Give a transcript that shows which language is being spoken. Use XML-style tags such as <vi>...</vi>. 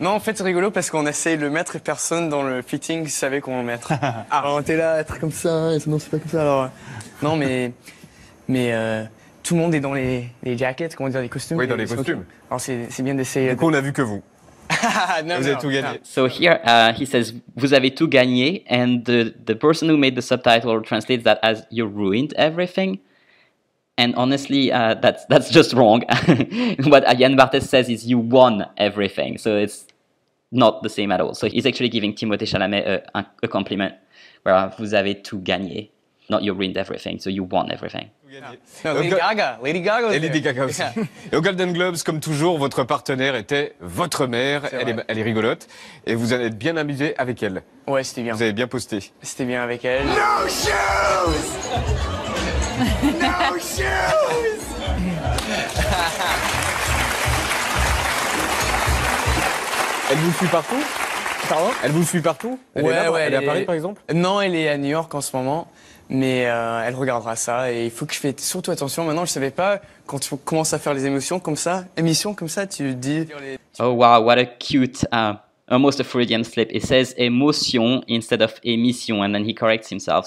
<fr>Non, en fait, c'est rigolo parce qu'on essaye de le mettre et personne dans le fitting savait comment le mettre. Alors, t'es là, être comme ça, et sinon, c'est pas comme ça. Alors, non, tout le monde est dans les jackets, comment dire, les costumes. Oui, dans les costumes. Alors, c'est bien d'essayer. Du coup, on a vu que vous. Vous avez tout gagné.</fr> <en>So here, he says,</en> <fr>vous avez tout gagné.</fr> <en>And the person who made the subtitle translates that as « You ruined everything ». And honestly, that's just wrong. What Yann Barthès says is you won everything. So it's not the same at all. So he's actually giving Timothée Chalamet a compliment. Where</en> <fr>vous avez tout gagné.</fr> <en>Not you ruined everything. So you won everything. Yeah. No, Lady Gaga.</en> <fr>Et Lady Gaga aussi. Yeah. Et au Golden Globes, comme toujours, votre partenaire était votre mère. Elle est rigolote. Et vous en êtes bien amusé avec elle. Ouais, c'était bien. Vous avez bien posté. C'était bien avec elle.</fr> <en>No shoes! No shoes!</en> <fr>Elle vous suit partout? Pardon? Elle vous suit partout? Elle est à Paris, par exemple? Non, elle est à New York en ce moment. Mais elle regardera ça et il faut que je fasse surtout attention. Maintenant, je savais pas, quand tu commences à faire les émissions comme ça, tu dis...</fr> <en>Oh wow, what a cute almost a Freudian slip. It says émotion instead of émission, and then he corrects himself.</en>